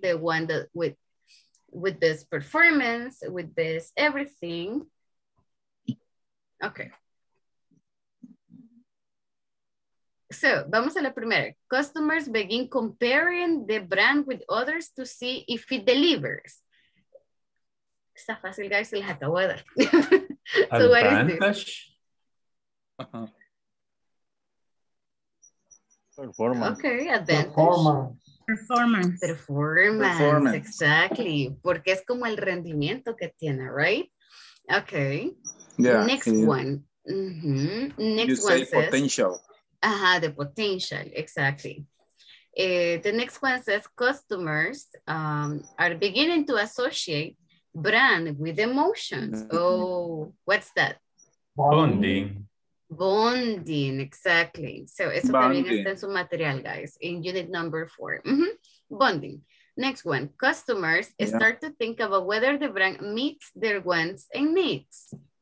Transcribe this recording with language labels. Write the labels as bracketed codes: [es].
[en] The one that with this performance, with this everything. Okay. So, [es] vamos a la primera. [en] Customers begin comparing the brand with others to see if it delivers. [es] Está fácil, guys, se les acabó de dar. [en] So, what is this? Performance. Okay, advantage. Performance. Exactly. [es] Porque es como el rendimiento que tiene, right? [en] Okay. Yeah. Next one. Potential. The potential. Exactly. The next one says customers are beginning to associate brand with emotions. Mm-hmm. Oh, what's that? Bonding, exactly. [es] So, eso también está en su material, guys, [en] in unit number 4. Mm-hmm. Bonding. Next one. Customers start to think about whether the brand meets their wants and needs.